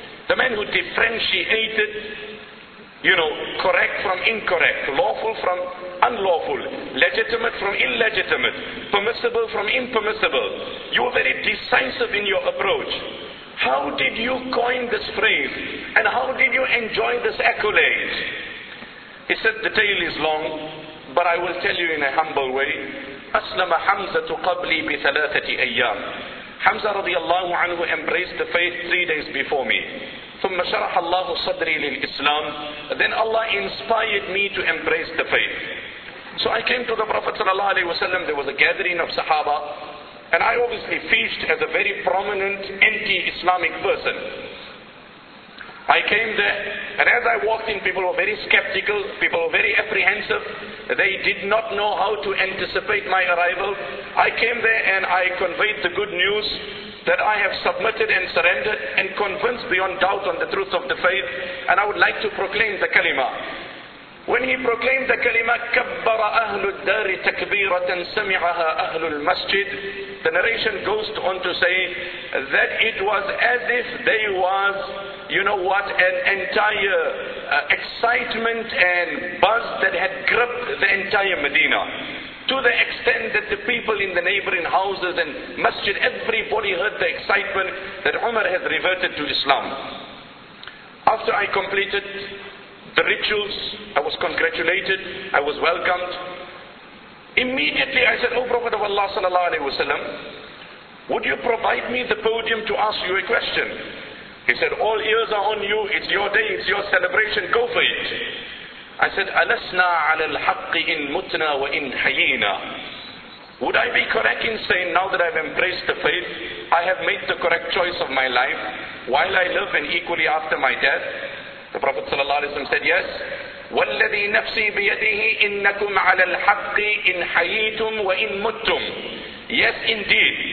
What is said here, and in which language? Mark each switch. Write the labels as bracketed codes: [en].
[en] The man who differentiated, you know, correct from incorrect, lawful from unlawful, legitimate from illegitimate, permissible from impermissible. You were very decisive in your approach. How did you coin this phrase? And how did you enjoy this accolade? He said, the tale is long, but I will tell you in a humble way. [ar] أسلم حمزة قبلي بثلاثة أيام. [en] Hamza radiallahu anhu embraced the faith 3 days before me. [ar] ثم شرح الله صدري للإسلام. [en] Then Allah inspired me to embrace the faith. So I came to the Prophet sallallahu alaihi wasallam. There was a gathering of Sahaba, and I obviously featured as a very prominent anti-Islamic person. I came there, and as I walked in, people were very skeptical, people were very apprehensive. They did not know how to anticipate my arrival. I came there and I conveyed the good news that I have submitted and surrendered and convinced beyond doubt on the truth of the faith, and I would like to proclaim the kalima. When he proclaimed the kalima, [ar] كَبَّرَ أَهْلُ الدَّارِ تَكْبِيرَةً سَمِعَهَا أَهْلُ الْمَسْجِدِ. [en] The narration goes on to say that it was as if they was, you know what, an entire excitement and buzz that had gripped the entire Medina. To the extent that the people in the neighboring houses and masjid, everybody heard the excitement that Umar has reverted to Islam. After I completed the rituals, I was congratulated, I was welcomed. Immediately I said, O Prophet of Allah sallallahu alaihi wasallam, would you provide me the podium to ask you a question? He said, all ears are on you, it's your day, it's your celebration, go for it. I said, [ar] أَلَسْنَا عَلَى الْحَقِّ إِن مُتْنَا وَإِن حَيِّنَا. [en] Would I be correct in saying, now that I've embraced the faith, I have made the correct choice of my life, while I live and equally after my death? The Prophet ﷺ said, yes. [ar] وَالَّذِي نَفْسِي بِيَدِهِ إِنَّكُمْ عَلَى الْحَقِّ إِن حَيِّتُمْ وَإِن مُتْتُمْ. [en] Yes, indeed.